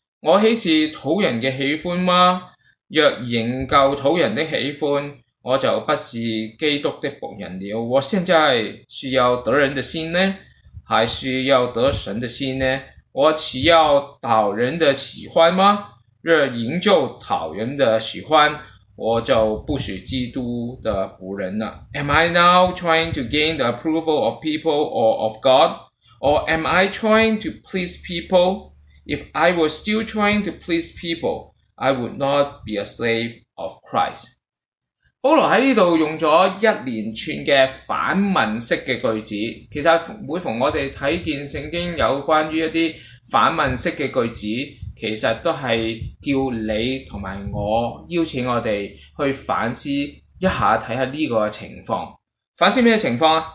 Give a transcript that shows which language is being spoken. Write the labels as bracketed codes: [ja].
[zh] 我岂是讨人的喜欢吗？若仍旧讨人的喜欢，我就不是基督的仆人了。我现在是要得人的心呢，还是要得神的心呢？我岂要讨人的喜欢吗？若仍旧讨人的喜欢，我就不是基督的仆人了。 [en] Am I now trying to gain the approval of people or of God? Or am I trying to please people? If I was still trying to please people, I would not be a slave of Christ. [zh] 保罗在这里用了一连串的反问式的句子。其实每逢我们看见圣经有关于一些反问式的句子，其实都是叫你和我邀请我们去反思一下，看看这个情况。反思什么情况？